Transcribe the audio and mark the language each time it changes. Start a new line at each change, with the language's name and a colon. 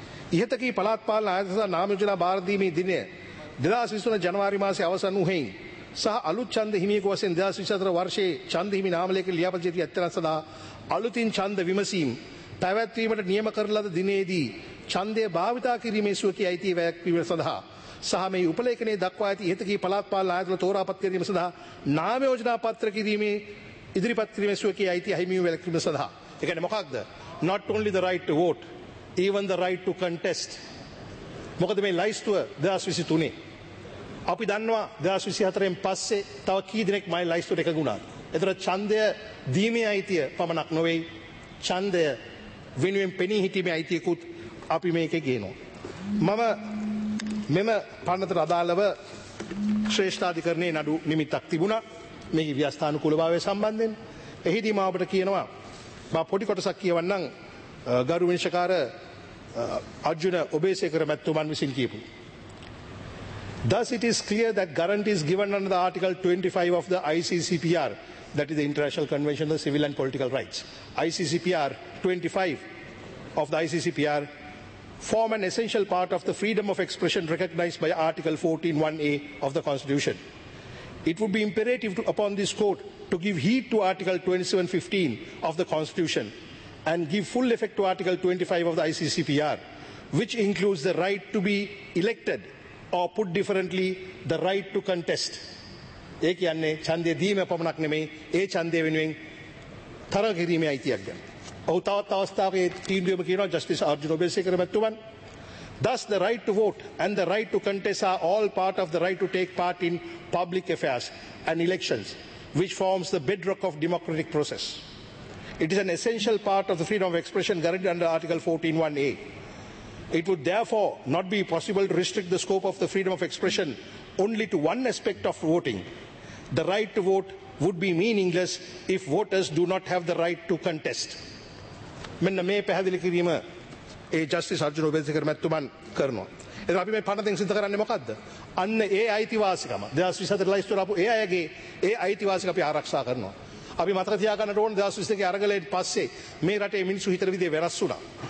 Sinhala: ඉහත කී පළාත් පාලන ආයතන සඳහා නාම යෝජනා භාර දීමේ දිනය 2023 ජනවාරි මාසයේ අවසන් වූ හේයින් සහ අලුත් ඡන්ද හිමියෙකු වශයෙන් 2024 වර්ෂයේ ඡන්ද හිමි නාමලේඛන ලියාපදිංචි ඇත්තරන් සඳහා අලුතින් ඡන්ද විමසීම් පැවැත්වීමට නියම කරන ලද දිනයේදී ඡන්දය භාවිතා කිරීමේ ස්වකීය අයිතිය වැයක්වීම සඳහා සහ මේ උපලේඛනයේ දක්වා ඇති ඉහත කී පළාත් පාලන ආයතන තෝරාපත් කිරීම සඳහා නාම යෝජනා පත්‍ර කිරීමේ ඉදිරිපත් කිරීමේ ස්වකීය අයිතිය අහිමිව වැළකීම සඳහා. ඒ කියන්නේ මොකක්ද?
English: Not only the right to vote, even the right to contest.
Sinhala: මොකද මේ ලයිස්තුව 2023. අපි දන්නවා 2024 න් පස්සේ තව කී දිනෙක මම ලයිස්තුවට එකඟුණාද? ඒතර ඡන්දය දීමේ අයිතිය පමණක් නොවේ, ඡන්දය වෙනුවෙන් පෙනී සිටීමේ අයිතියකුත් අපි මේකේ ගේනවා. මම මෙම පන්නතට අදාළව ශ්‍රේෂ්ඨාධිකරණයේ නඩු නිමිත්තක් තිබුණා මේ ව්‍යස්ථානුකූලභාවය සම්බන්ධයෙන්. එහිදී මම ඔබට කියනවා, මම පොඩි කොටසක් කියවන්නම්. ගරු විනිශ්චකාර අර්ජුන ඔබේසේකර මැතිතුමන් විසින් කියපු.
English: Thus it is clear that guarantees given under the Article 25 of the ICCPR, that is the International Convention on Civil and Political Rights, ICCPR 25 of the ICCPR, form an essential part of the freedom of expression recognized by Article 14(1)(a) of the Constitution. It would be imperative upon this court to give heed to Article 27(15) of the Constitution and give full effect to Article 25 of the ICCPR, which includes the right to be elected, or put differently, the right to contest.
Sinhala: ඒ කියන්නේ ඡන්දය දීම පමණක් නෙමෙයි, ඒ ඡන්දය වෙනුවෙන් තරග කිරීමේ අයිතියක් ගන්න. ඔහු තවත් අවස්ථාවක තීන්දුවම කියනවා, justice Arjuna ඔබේසේකර මැතිතුමන්,
English: Thus the right to vote and the right to contest are all part of the right to take part in public affairs and elections, which forms the bedrock of democratic process. It is an essential part of the freedom of expression guaranteed under Article 14(1)(a). It would therefore not be possible to restrict the scope of the freedom of expression only to one aspect of voting. The right to vote would be meaningless if voters do not have the right to contest.
Sinhala: මෙන්න මේ පැහැදිලි කිරීම ඒ justice Arjuna ඔබේසේකර මැතිතුමන් කරනවා. එතකොට අපි මේ පනතෙන් සිද්ධ කරන්නේ මොකද්ද? අන්න ඒ අයිතිවාසිකම 2024 ලයිස්තුවට ආපු ඒ අයගේ ඒ අයිතිවාසිකම අපි ආරක්ෂා කරනවා. අපි මතක තියාගන්නට ඕන 2022 අරගලයෙන් පස්සේ මේ රටේ මිනිස්සු හිතන විදිහ වෙනස් වුණා.